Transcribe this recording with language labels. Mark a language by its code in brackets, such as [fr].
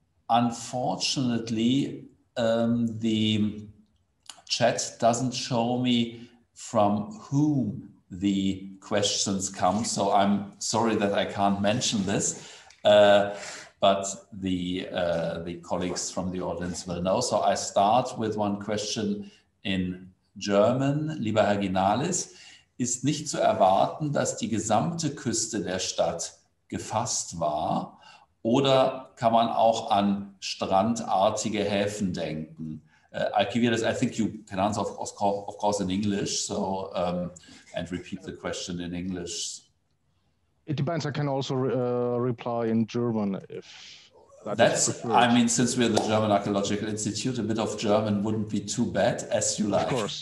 [en] Unfortunately, the chat doesn't show me from whom the questions come, so I'm sorry that I can't mention this, but the colleagues from the audience will know. So I start with one question in German. [de] Lieber Herr Ginalis, ist nicht zu erwarten, dass die gesamte Küste der Stadt gefasst war? Oder kann man auch an strandartige Häfen denken? [en] Alkiviadis, I think you can answer, of course, in English. So, and repeat the question in English. It depends. I can also reply in German if that's preferred. I mean, since we're the German Archaeological Institute, a bit of German wouldn't be too bad, as you like.